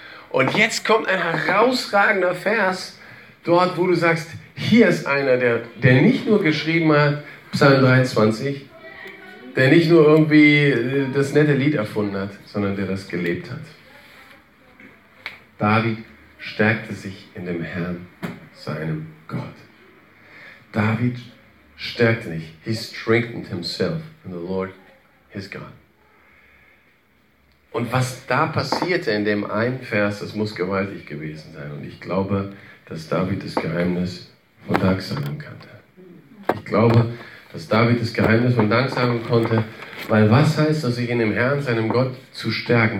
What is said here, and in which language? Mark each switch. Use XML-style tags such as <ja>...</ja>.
<de>Und jetzt kommt ein herausragender Vers, dort wo du sagst, hier ist einer, der nicht nur geschrieben hat, Psalm 23, der nicht nur irgendwie das nette Lied erfunden hat, sondern der das gelebt hat. David stärkte sich in dem Herrn, seinem Gott. David stärkte sich.</de> <en>He strengthened himself in the Lord, his God.</en> <de>Und was da passierte in dem einen Vers, das muss gewaltig gewesen sein. Und ich glaube, dass David das Geheimnis von Danksagung kannte. Ich glaube, dass David das Geheimnis von Danksagung konnte, weil was heißt das, sich in dem Herrn, seinem Gott, zu stärken?</de>